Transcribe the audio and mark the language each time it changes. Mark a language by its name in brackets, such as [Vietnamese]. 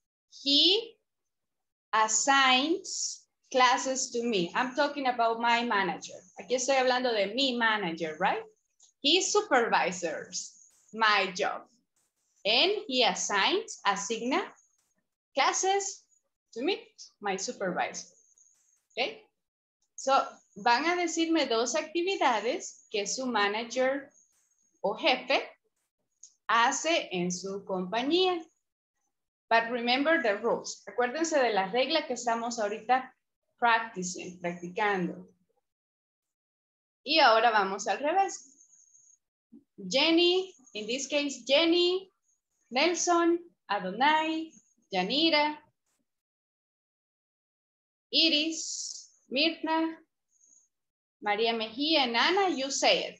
[English] He assigns classes to me. I'm talking about my manager. [Spanish] Aquí estoy hablando de mi manager, [English] right? He supervises my job. And he [Spanish] asigna [English] classes to me, my supervisor. Okay? [Spanish] So, van a decirme 2 actividades que su manager o jefe hace en su compañía. [English] But remember the rules. [Spanish] Acuérdense de la regla que estamos ahorita practicando. Y ahora vamos al revés. [English] Jenny, in this case, Jenny, Nelson, Adonai, Yanira, Iris, Mirna, María Mejía, Nana, you say it.